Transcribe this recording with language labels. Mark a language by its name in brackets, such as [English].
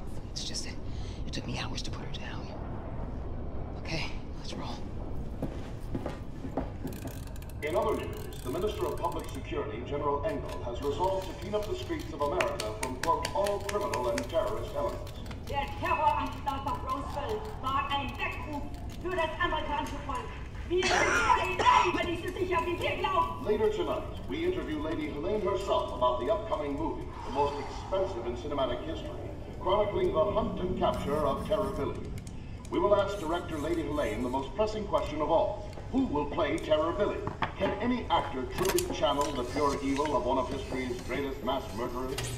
[English] It's just that it took me hours to put her down. Okay, let's roll. In other news, the Minister of Public Security, General Engel, has resolved to clean up the streets of America from, quote, all criminal and terrorist elements. [German] Der Terror am Standort Roosevelt war ein Weckruf. Für das amerikanische Volk. Wir sind frei, über diese Sicherheit. [English] Later tonight, we interview Lady Helene herself about the upcoming movie, the most expensive in cinematic history, chronicling the hunt and capture of Terror Billy. We will ask director Lady Helene the most pressing question of all. Who will play Terror Billy? Can any actor truly channel the pure evil of one of history's greatest mass murderers?